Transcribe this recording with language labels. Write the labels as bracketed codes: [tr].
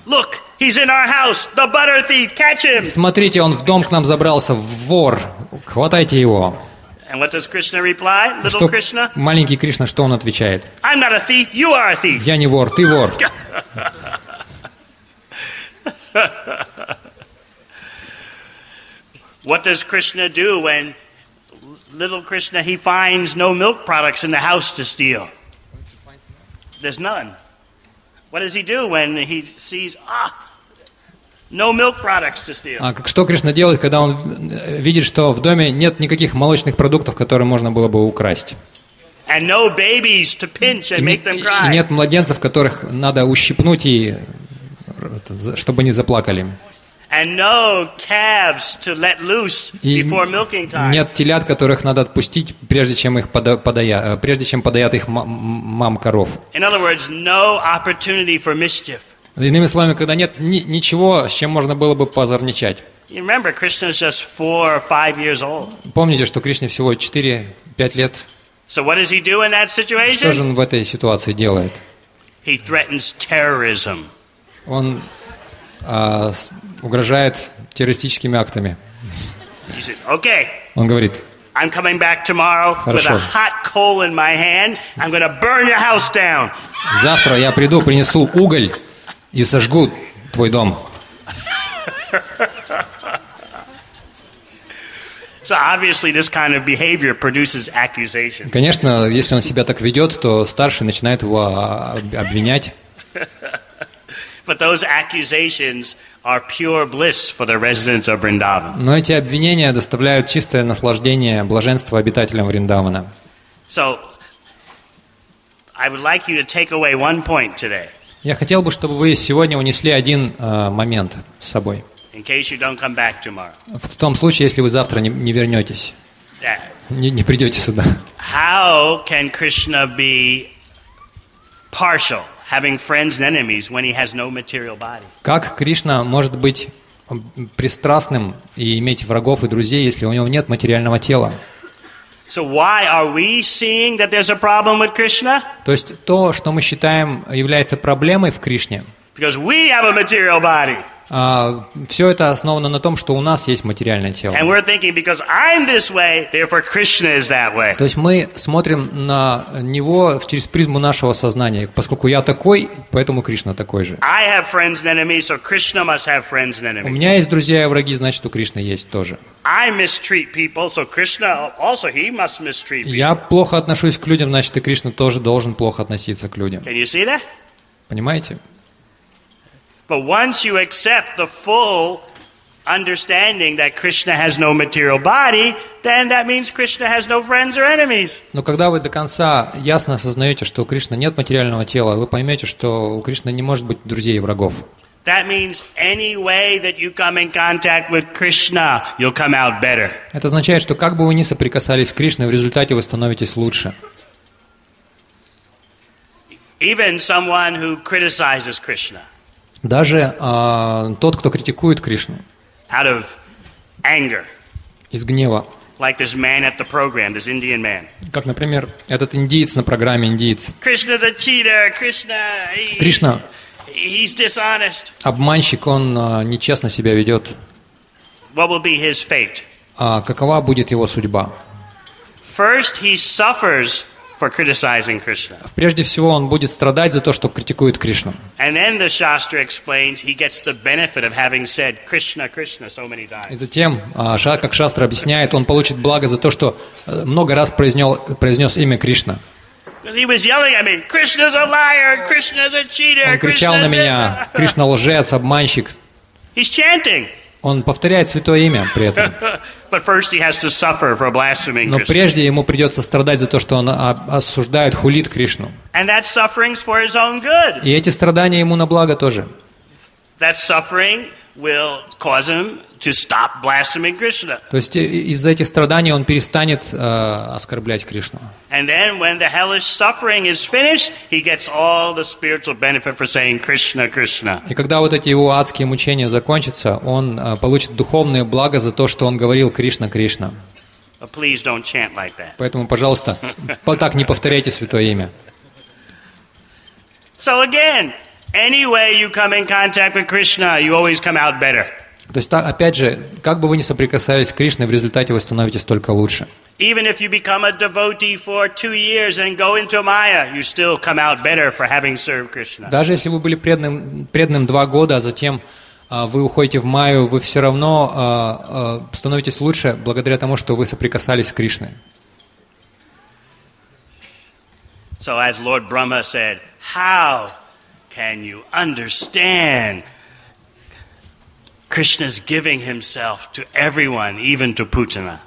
[en] Look, he's in our house, the butter thief, catch him! [ru] Смотрите, он в дом к нам забрался, вор, хватайте его. [en] And what does Krishna reply, little Krishna? [ru] Маленький Кришна, что он отвечает? [en] I'm not a thief, you are a thief. [ru] Я не вор, ты вор. [en] What does Krishna do when little Krishna, he finds no milk products in the house to steal? There's none. What does he do when he sees, no milk products to steal? [ru] А что Кришна делает, когда он видит, что в доме нет никаких молочных продуктов, которые можно было бы украсть? [en] And no babies to pinch and make them cry. [ru] И нет младенцев, которых надо ущипнуть, чтобы они заплакали. [en] And no calves to let loose before milking time. [ru] Нет телят, которых надо отпустить, прежде чем подоят их мам коров. [en] In other words, no opportunity for mischief. [ru] Иными словами, когда нет ничего, с чем можно было бы позорничать. [en] You remember, Krishna is just 4 or 5 years old. [ru] Помните, что Кришне всего 4-5 лет. [en] So what does he do in that situation? [ru] Что же он в этой ситуации делает? [en] He threatens terrorism. [ru] Он угрожает террористическими актами. [en] He said, okay. [ru] Он говорит: [en] I'm coming back tomorrow. [ru] Хорошо. [en] With a hot coal in my hand. I'm going to burn your house down. [ru] Завтра я приду, принесу уголь и сожгу твой дом. [en] So obviously this kind of behavior produces accusations. [ru] Конечно, если он себя так ведет, то старший начинает его обвинять. [en] But those accusations are pure bliss for the residents of Vrindavan. [ru] Но эти обвинения доставляют чистое наслаждение, блаженство обитателям Вриндавана. [en] So, I would like you to take away one point today. [ru] Я хотел бы, чтобы вы сегодня унесли один момент с собой. [en] In case you don't come back tomorrow. [ru] В том случае, если вы завтра не вернетесь, не придете сюда. [en] How can Krishna be partial? Having friends and enemies when he has no material body. [ru] Как Кришна может быть пристрастным и иметь врагов и друзей, если у него нет материального тела? [en] So why are we seeing that there's a problem with Krishna? [ru] То есть то, что мы считаем является проблемой в Кришне. [en] Because we have a material body. [ru] Все это основано на том, что у нас есть материальное тело. [en] And we're thinking because I'm this way, therefore Krishna is that way. [ru] То есть мы смотрим на него через призму нашего сознания, поскольку я такой, поэтому Кришна такой же. [en] I have friends and enemies, so Krishna must have friends and enemies. [ru] У меня есть друзья и враги, значит, у Кришны есть тоже. [en] I mistreat people, so Krishna also he must mistreat people. [ru] Я плохо отношусь к людям, значит, и Кришна тоже должен плохо относиться к людям. [en] Can you see that? [ru] Понимаете? [en] But once you accept the full understanding that Krishna has no material body, then that means Krishna has no friends or enemies. [ru] Но когда вы до конца ясно осознаете, что у Кришны нет материального тела, вы поймете, что у Кришны не может быть друзей и врагов. [en] That means any way that you come in contact with Krishna, you'll come out better. [ru] Это означает, что как бы вы ни соприкасались с Кришной, в результате вы становитесь лучше. [en] Even someone who criticizes Krishna. [ru] Даже тот, кто критикует Кришну. [en] Out of anger. [ru] Из гнева. [en] Like this man at the program, this Indian man. [ru] Как, например, этот индиец на программе, индиец. [en] Krishna the cheater, Krishna. [ru] Кришна. [en] He's dishonest. [ru] Обманщик, он нечестно себя ведет. [en] What will be his fate? [ru] Какова будет его судьба? [en] First, he suffers for criticizing Krishna. [ru] Прежде всего, он будет страдать за то, что критикует Кришну. [en] And then the Shastra explains, he gets the benefit of having said Krishna, Krishna so many times. [ru] И затем, как Шастра объясняет, он получит благо за то, что много раз произнес имя Кришна. [en] He was yelling at me. Krishna's a liar. Krishna's a cheater. [ru] Он кричал на меня. Кришна лжец, обманщик. [en] He's chanting. [ru] Он повторяет святое имя при этом. [en] But first he has to suffer for blaspheming Krishna. [ru] Но прежде ему придется страдать за то, что он осуждает, хулит Кришну. [en] And that suffering's for his own good. [ru] И эти страдания ему на благо тоже. [en] That suffering will cause him to stop blaspheming Krishna. [ru] То есть из-за этих страданий он перестанет оскорблять Кришну. [en] And then when the hellish suffering is finished, he gets all the spiritual benefit for saying Krishna, Krishna. [ru] И когда вот эти его адские мучения закончатся, он получит духовное благо за то, что он говорил Кришна, Кришна. [en] But please don't chant like that. [ru] Поэтому, пожалуйста, так не повторяйте святое имя. [en] So again, any way you come in contact with Krishna, you always come out better. [ru] То есть, опять же, как бы вы ни соприкасались с Кришной, в результате вы становитесь только лучше. [en] Even if you become a devotee for 2 years and go into Maya, you still come out better for having served Krishna. [ru] Даже если вы были преданным 2 года, а затем вы уходите в Майю, вы все равно становитесь лучше благодаря тому, что вы соприкасались с Кришной. [en] So as Lord Brahma said, how can you understand Krishna's giving himself to everyone, even to Putana?